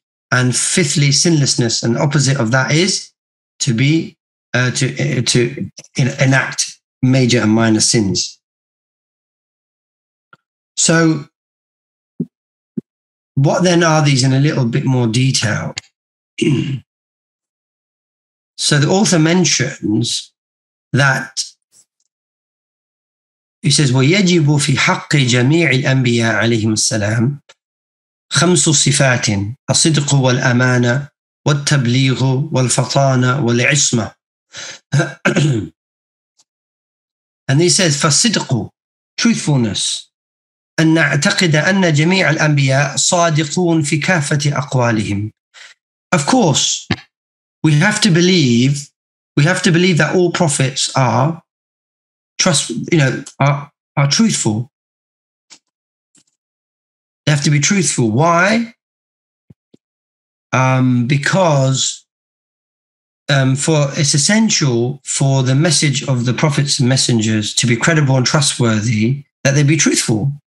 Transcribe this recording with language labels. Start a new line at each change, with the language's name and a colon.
English: And fifthly, sinlessness, and the opposite of that is to be enact major and minor sins. So what then are these in a little bit more detail? So the author mentions that he says,
Arabic: وَيَجِبُ فِي حَقِّ جَمِيعِ الْأَنْبِيَاءِ عَلَيْهِمُ السَّلَامِ خَمْسُ صِفَاتٍ الصِّدْقُ وَالْأَمَانَةُ وَالتَّبْلِيغُ وَالْفَطَانَةُ وَالْعِصْمَةُ
English: And he says,
Arabic: فَالصِّدْقُ truthfulness أن نعتقد أن جميع الأنبياء صادقون في كافة أقوالهم.
English: Of course, we have to believe that all prophets are truthful. They have to be truthful. Why? Because it's essential for the message of the prophets and messengers to be credible and trustworthy that they be truthful.